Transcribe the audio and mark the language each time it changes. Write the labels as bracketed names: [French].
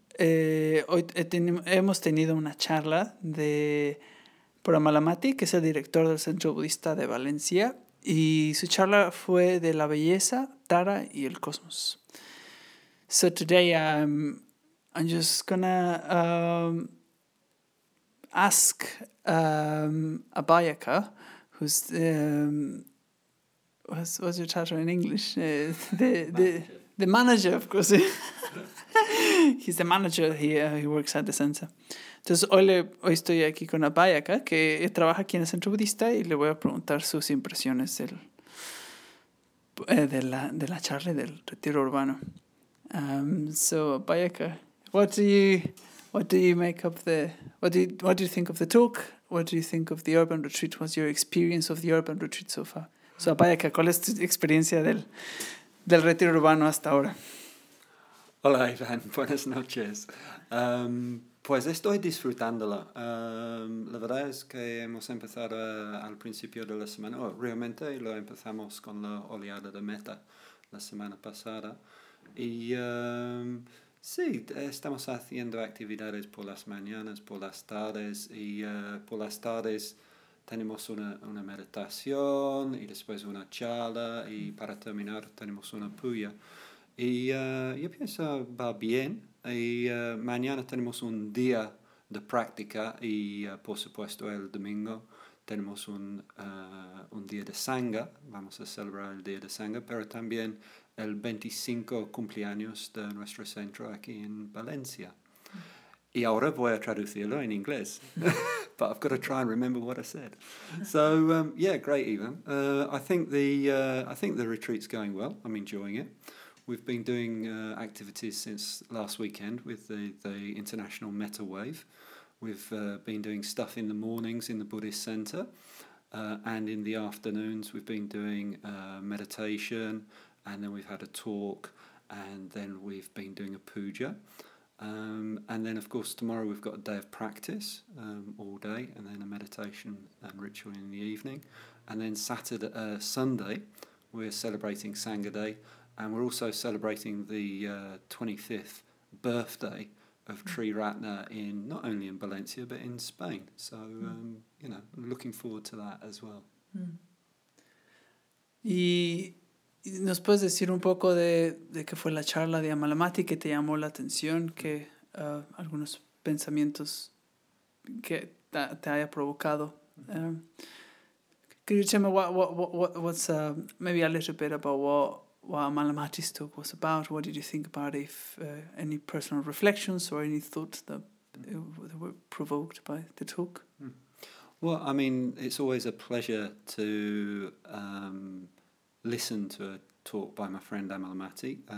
[Spanish] Hemos tenido una charla de por Amal Amati, que es el director del Centro Budista de Valencia, y su charla fue de la belleza, Tara y el cosmos. [English] So today I'm just gonna ask Abayaka, who's what's your title in English? The manager, of course. He's the manager here. He works at the center. [Spanish] Entonces, hoy estoy aquí con Abayaka, que trabaja aquí en el Centro Budista, y le voy a preguntar sus impresiones de la charla del retiro urbano. [English] So, Abayaka, what do you think of the talk? What do you think of the urban retreat? What's your experience of the urban retreat so far? [Spanish] So, Abayaka, ¿cuál es tu experiencia del retiro urbano hasta ahora? Hola, Iván. Buenas noches. Pues estoy disfrutándolo. La verdad es que hemos empezado al principio de la semana, realmente lo empezamos con la oleada de meta la semana pasada. Y sí, estamos haciendo actividades por las mañanas, por las tardes, y por las tardes tenemos una meditación y después una charla, y para terminar tenemos una puya. Y yo pienso va bien, y mañana tenemos un día de práctica, y por supuesto el domingo tenemos un día de sangha. Vamos a celebrar el día de sangha, pero también el 25 cumpleaños de nuestro centro aquí en Valencia. Y ahora voy a traducirlo en inglés. [English] But I've got to try and remember what I said. So, yeah, great, Ivan. I think the retreat's going well. I'm enjoying it. We've been doing activities since last weekend with the International Metta Wave. We've been doing stuff in the mornings in the Buddhist Center. And in the afternoons, we've been doing meditation. And then we've had a talk. And then we've been doing a puja. And then, of course, tomorrow we've got a day of practice all day, and then a meditation and ritual in the evening. And then Sunday, we're celebrating Sangha Day, and we're also celebrating the 25th birthday of Tri Ratna, in not only in Valencia, but in Spain. So, you know, looking forward to that as well. [Spanish] ¿Nos puedes decir un poco de qué fue la charla de Amal Amati, qué te llamó la atención, qué algunos pensamientos que te haya provocado? [English] Could you tell me maybe a little bit about what Amal Amati's talk was about? What did you think about it? Any personal reflections or any thoughts that were provoked by the talk? Well, I mean, it's always a pleasure to listen to a talk by my friend Amal Amati.